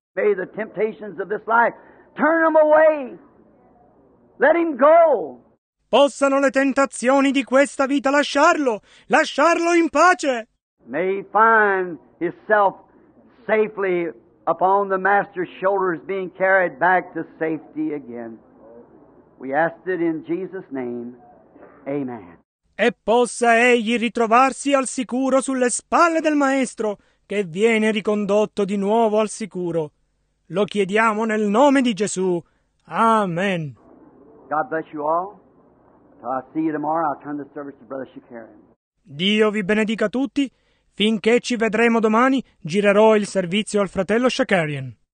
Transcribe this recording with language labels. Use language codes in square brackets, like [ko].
[en] May the temptations of this life turn him away. Let him go. [it] Possano le tentazioni di questa vita lasciarlo. Lasciarlo in pace. [en] May he find himself safely upon the Master's shoulders, being carried back to safety again. We ask it in Jesus' name. Amen. [it] E possa egli ritrovarsi al sicuro sulle spalle del Maestro, che viene ricondotto di nuovo al sicuro. Lo chiediamo nel nome di Gesù. Amen. [en] God bless you all. Until I see you tomorrow, I'll turn the service to Brother Shakarian. [it] Dio vi benedica tutti. Finché ci vedremo domani, girerò il servizio al fratello Shakarian.